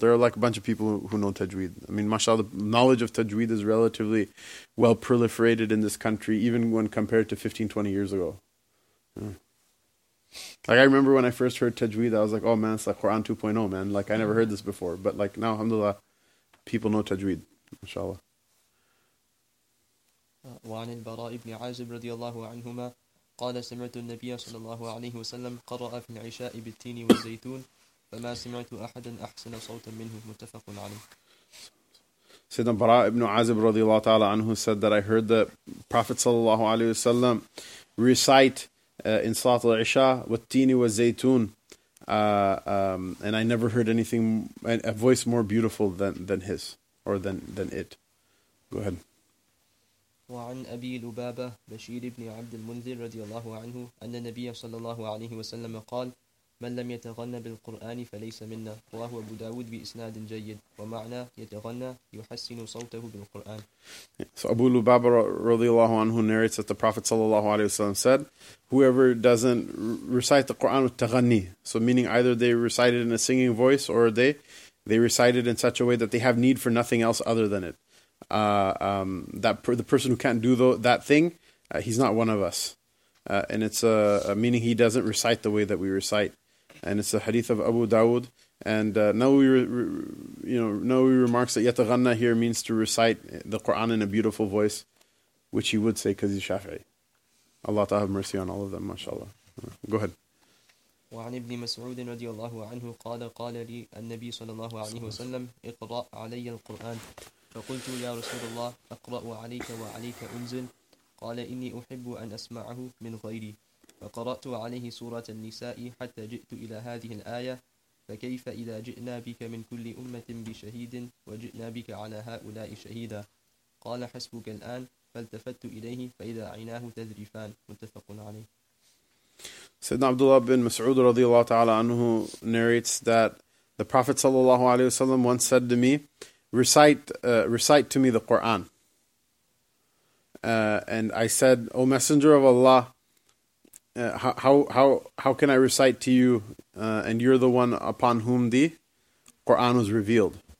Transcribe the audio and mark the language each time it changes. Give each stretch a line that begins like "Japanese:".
English: There are like a bunch of people who know tajweed. I mean, mashallah, the knowledge of tajweed is relatively well proliferated in this country, even when compared to 15, 20 years ago. Like, I remember when I first heard tajweed, I was like, oh man, it's like Quran 2.0, man. Like, I never heard this before. But like now, alhamdulillah, people know tajweed, mashallah.
Arabic: وعن البراء بن عازب رضي الله عنهما قال سمعت النبي صلى الله عليه وسلم قرأ في العشاء بالتين والزيتون فما سمعت أحدا أحسن صوتا منه متفق عليه. سيدنا براء بن عازب رضي الله تعالى عنه
English: said that I heard the Prophet
Arabic: صلى الله عليه وسلم
English: recite in
Arabic: صلاة العشاء والتين والزيتون
English: and I never heard anything a voice more beautiful than his or than it. Go ahead.
Arabic: وعن أبي لبابة بشير بن عبد المنذر رضي الله عنه أن النبي صلى الله عليه وسلم قال من لم يتغنى بالقرآن فليس منا رواه أبو داود بإسناد جيد ومعنى يتغنى يحسن صوته بالقرآن.
English: So Abu Lubaba
Arabic: رضي الله عنه
English: narrates that the Prophet
Arabic: صلى الله عليه وسلم
English: said, whoever doesn't recite the Quran with تغني, so meaning either they recite it in a singing voice or they recite it in such a way that they have need for nothing else other than it. The person who can't do that thing, he's not one of us. And it's a meaning he doesn't recite the way that we recite. And it's a hadith of Abu Dawud. And Nawawi remarks that yataghanna here means to recite the Quran in a beautiful voice, which he would say because he's Shafi'i. Allah ta'ala have mercy on all of them, mashallah. Go ahead.
Arabic: وعن ابن مسعود رضي الله عنه قال قال لي النبي صلى الله عليه وسلم اقرأ علي القرآن فقلت يا رسول الله أقرأ عليك وعليك أنزل قال إني أحب أن أسمعه من غيري فقرأت عليه سورة النساء حتى جئت إلى هذه الآية فكيف إذا جئنا بك من كل أمة بشهيد وجئنا بك على هؤلاء شهيدا قال حسبك الآن فالتفت إليه فإذا عيناه تذرفان متفق عليه. سيدنا عبد الله بن مسعود رضي الله تعالى عنه
English: narrates that the Prophet
Arabic: صلى الله عليه وسلم
English: once said to me, recite to me the Qur'an. And I said, O Messenger of Allah, how can I recite to you, and you're the one upon whom the Qur'an was revealed?